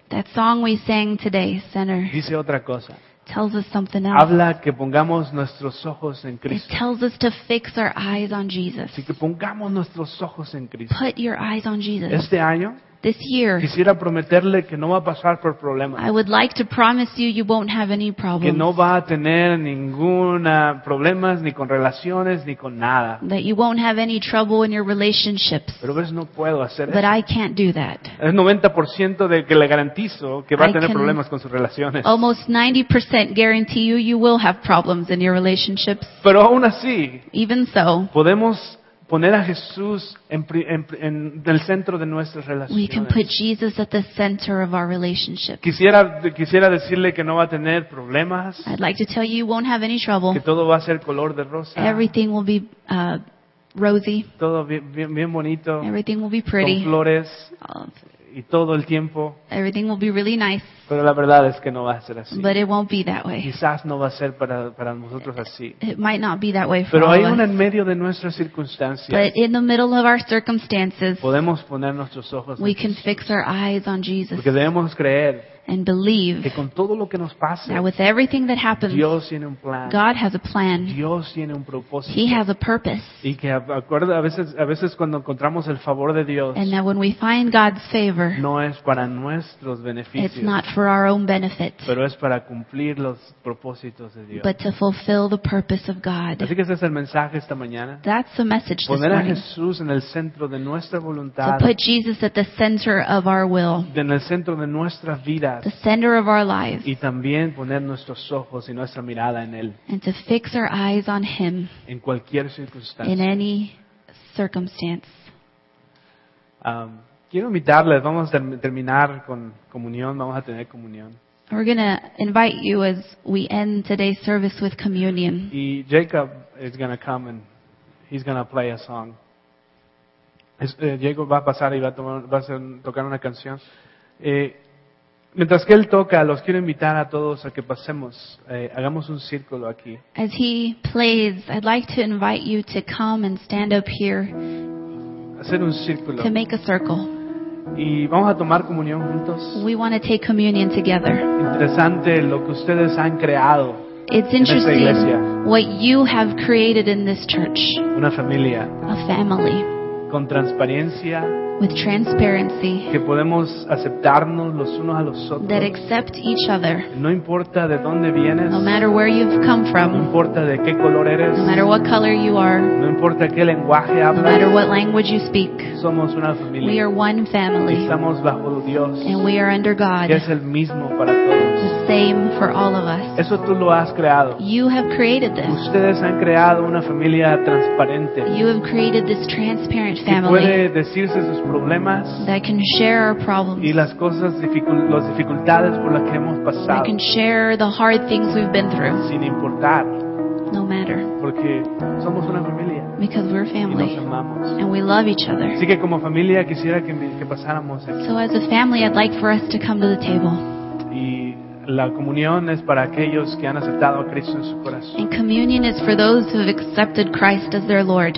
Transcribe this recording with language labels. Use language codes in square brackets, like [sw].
[en] That song we sang today, Center. [es] Dice otra cosa. [en] Tells us something else. [es] Habla que pongamos nuestros ojos en Cristo. [en] It tells us to fix our eyes on Jesus. [es] Así que pongamos nuestros ojos en Cristo. [en] Put your eyes on Jesus. [es] Este año. [en] This year, [es] quisiera prometerle que no va a pasar por problemas. [en] I would like to promise you you won't have any problems. [es] Que no va a tener ninguna problemas ni con relaciones ni con nada. [en] That you won't have any trouble in your relationships. [es] Pero ves, no puedo hacer [en] But [es] eso. [en] I can't do that. [es] Es 90% de que le garantizo que va a tener problemas con sus relaciones. [en] Almost 90% guarantee you will have problems in your relationships. [es] Pero aún así, [en] even so, [es] podemos poner a Jesús en el centro de nuestras relaciones. [en] We can put Jesus at the center of our relationship. [es] Quisiera decirle que no va a tener problemas. [en] I'd like to tell you you won't have any trouble. [es] Que todo va a ser color de rosa. [en] Everything will be rosy. [es] Todo bien bonito. [en] Everything will be pretty. [es] Con flores. y todo el tiempo. [en] Everything will be really nice. [es] Pero la verdad es que no va a ser así. [en] But it won't be that way. [es] Quizás no va a ser para nosotros así. [en] It might not be that way for [es] Pero [en] all [es] hay [en] of [es] una [en] us. [es] En medio de nuestras circunstancias. [en] But in the middle of our circumstances. [es] Podemos poner nuestros ojos [en] We can fix our eyes on Jesus. [es] Porque debemos creer. [en] And believe [es] que con todo lo que nos pasa, [en] that with everything that happens, [es] Dios tiene un plan. [en] God has a plan. [es] Dios tiene un propósito. [en] He has a purpose. [es] Y que a veces cuando encontramos el favor de Dios, [en] and that when we find God's favor, [es] no es para nuestros beneficios, [en] it's not for our own benefit, [es] pero es para cumplir los propósitos de Dios. [en] But to fulfill the purpose of God. [es] Así que ese es el mensaje esta mañana. [en] That's the message [es] Poner [en] this morning. [es] A Jesús en el centro de nuestra voluntad. [en] To put Jesus at the center of our will. [es] En el centro de nuestra vida. [en] The center of our lives. [es] Y también poner nuestros ojos y nuestra mirada en Él. [en] And to fix our eyes on Him. [es] En cualquier circunstancia. [en] In any circumstance. [es] Quiero invitarles, vamos a terminar con comunión, vamos a tener comunión. [en] We're going to invite you as we end today's service with communion. Y Jacob is going to come and he's going to play a song. [es] Jacob va a pasar y va a tocar una canción. Mientras que él toca, los quiero invitar a todos a que pasemos, hagamos un círculo aquí. [en] As he plays, I'd like to invite you to come and stand up here. [es] Hacer un círculo. [en] To make a circle. [es] Y vamos a tomar comunión juntos. [en] We want to take communion together. [es] Interesante lo que ustedes han creado. [en] It's interesting [es] en esta iglesia. [en] What you have created in this church. [es] Una familia. [en] A family. [es] Con transparencia. [en] With transparency, [es] que podemos aceptarnos los unos a los otros, [en] that accept each other, [es] no importa de dónde vienes, [en] no matter where you've come from, [es] no importa de qué color eres, [en] no matter what color you are, [es] no importa qué lenguaje hablas, [en] no matter what language you speak, [es] somos una familia, [en] we are one family, [es] estamos bajo Dios, [en] and we are under God, [es] que es el mismo para todos. [en] The same for all of us. [es] Eso tú lo has creado. [en] You have created this. [es] Ustedes han creado una familia transparente. [en] You have created this transparent family. [es] Que puede decirse sus problemas. [en] That can share our problems. [es] Y las cosas las dificultades por las que hemos pasado. [en] That can share the hard things we've been through. [es] Sin importar. [en] No matter. [es] Porque somos una familia. [en] Because we're family. [es] Y nos amamos. [en] And we love each other. [es] Así que como familia quisiera que pasáramos aquí. [en] So as a family, I'd like for us to come to the table. [es] La comunión es para aquellos que han aceptado a Cristo en su corazón. [en] And communion is for those who have accepted Christ as their Lord.